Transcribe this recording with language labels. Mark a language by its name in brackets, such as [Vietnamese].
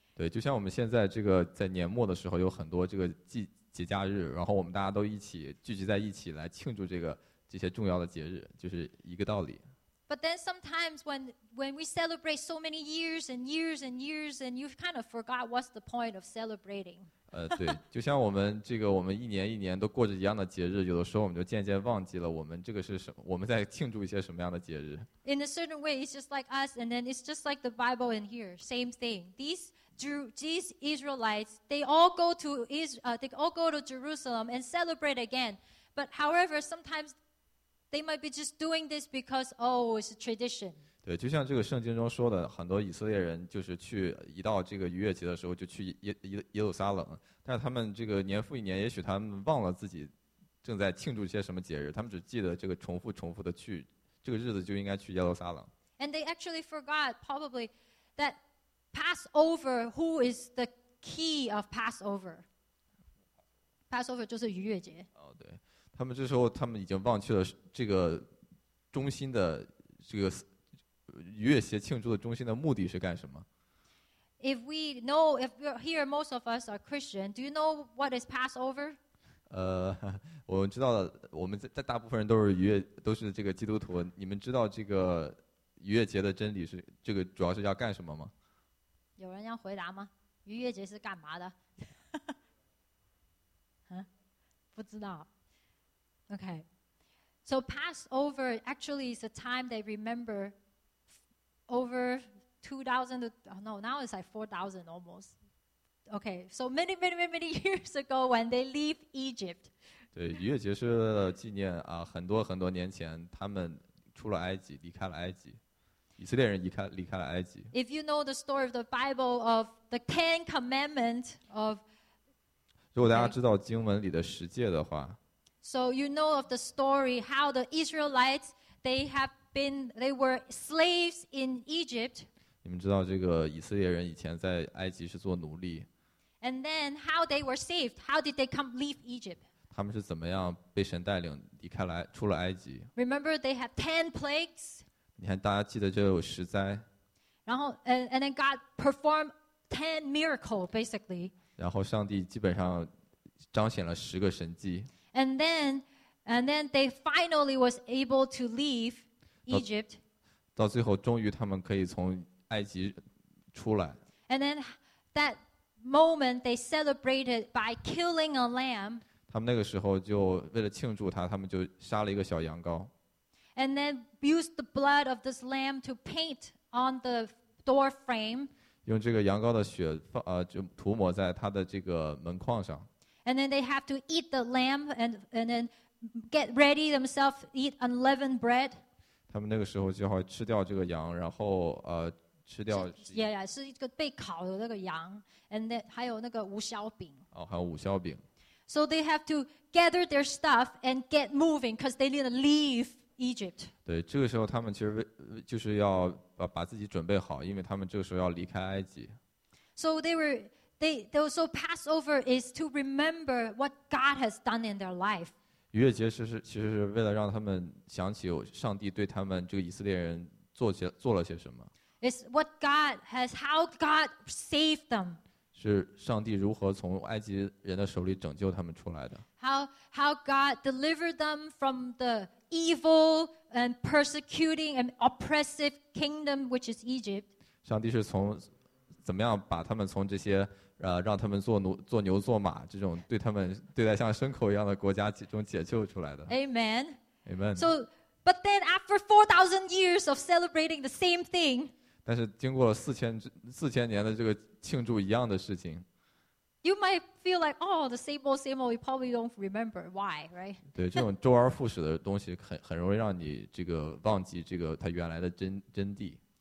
[Chinese] 对，就像我们现在这个在年末的时候，有很多这个节假日，然后我们大家都一起聚集在一起来庆祝这些重要的节日，就是一个道理。 [English] But then sometimes when we celebrate so many years and years and years, and you've kind of forgot what's the point of celebrating. [Chinese] 对，就像我们一年一年都过着一样的节日，有的时候我们就渐渐忘记了我们这个是什么，我们在庆祝一些什么样的节日。 [English] In a certain way, it's just like us, and then it's just like the Bible in here, same thing. These Israelites, they all go to Jerusalem and celebrate again. But however, sometimes they might be just doing this because it's a tradition. [Chinese] 对，就像这个圣经中说的，很多以色列人就是去一到这个逾越节的时候就去耶路撒冷，但是他们这个年复一年，也许他们忘了自己正在庆祝些什么节日，他们只记得这个重复的去这个日子就应该去耶路撒冷。 [English] And they actually forgot probably that Passover. Who is the key of Passover? Passover [Chinese] 就是逾越节。哦，对。他们这时候他们已经忘去了这个中心的这个逾越节庆祝的中心的目的是干什么。 [English] If we know, if here most of us are Christian, do you know what is Passover? [Chinese] 我知道了，我们在大部分人都是逾越，都是这个基督徒。你们知道这个逾越节的真理是这个主要是要干什么吗？有人要回答吗？逾越节是干嘛的？不知道。 [English] Okay, so Passover actually is a time they remember over 2,000, no, now it's like 4,000 almost. Okay, so many, many, many, many years ago when they leave Egypt. [Chinese] 对，逾越节是纪念啊，很多很多年前他们出了埃及，离开了埃及。以色列人离开了埃及。 [English] If you know the story of the Bible of the Ten Commandments of, [Chinese] 如果大家知道经文里的十诫的话。 [English] So you know of the story how the Israelites they were slaves in Egypt. [Chinese] 你们知道这个以色列人以前在埃及是做奴隶。 [English] And then how they were saved? How did they come leave Egypt? [Chinese] 他们是怎么样被神带领离开了出了埃及 [English] ？Remember they have 10 plagues. [Chinese] 你看大家记得这有十灾。 [English] 然后 and then God performed 10 miracles basically. [Chinese] 然后上帝基本上彰显了十个神迹。 [English] And then they finally was able to leave Egypt. [Chinese] 到最后，终于他们可以从埃及出来。 [English] And then that moment they celebrated by killing a lamb. [Chinese] 他们那个时候就为了庆祝他，他们就杀了一个小羊羔。 [English] And then used the blood of this lamb to paint on the door frame. [Chinese] 用这个羊羔的血就涂抹在他的这个门框上。 [English] And then they have to eat the lamb and then get ready themselves, eat unleavened bread. [Chinese] 他们那个时候就要吃掉这个羊，然后吃掉。 Yeah, yeah, 是一个被烤的那个羊 ， [English] and then [Chinese] 还有那个无酵饼。哦，还有无酵饼。 [English] So they have to gather their stuff and get moving because they need to leave Egypt. [Chinese] 对，这个时候他们其实就是要把自己准备好，因为他们这个时候要离开埃及。 [English] So they were. They also Passover is to remember what God has done in their life. [Chinese] 逾越节其实是为了让他们想起上帝对他们这个以色列人做了些什么。 [English] It's what God has, how God saved them. [Chinese] 是上帝如何从埃及人的手里拯救他们出来的。 [English] How God delivered them from the evil and persecuting and oppressive kingdom, which is Egypt. [Chinese] 上帝是从怎么样把他们从这些让他们做奴做牛做马这种对他们对待像牲口一样的国家中解救出来的 [English] ？Amen. Amen. So, but then after 4,000 years of celebrating the same thing, [Chinese] 但是经过了四千年的这个庆祝一样的事情 [English] ，You might feel like, oh, the same old, same old. You probably don't remember why, right? [Chinese] 对，这种周而复始的东西很容易让你这个忘记这个它原来的真谛。